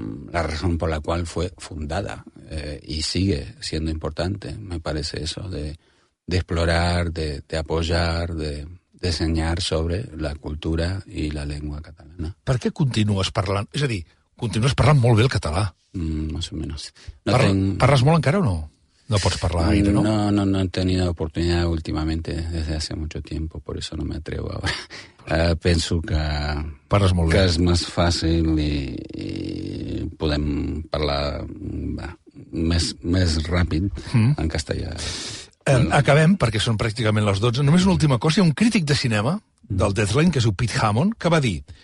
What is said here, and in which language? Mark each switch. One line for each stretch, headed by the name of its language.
Spanish: la razón por la cual fue fundada y sigue siendo importante, me parece eso, de explorar, de apoyar, de enseñar sobre la cultura y la lengua catalana.
Catalan: ¿Per qué continúas parlant? És a dir, continúas parlant molt bé el català.
Spanish: Más o menos.
Catalan: No parles molt encara o no? No pots parlar gaire, no?
Spanish: No he tenido oportunidad últimamente, desde hace mucho tiempo, por eso no me atrevo ahora.
Catalan: Penso que... Parles molt bé. Que és més fàcil i podem parlar més ràpid en castellà. Acabem, perquè són pràcticament les 12. Només una última cosa. Hi ha un crític de cinema del Deadline, que és el Pete Hammond, que va dir...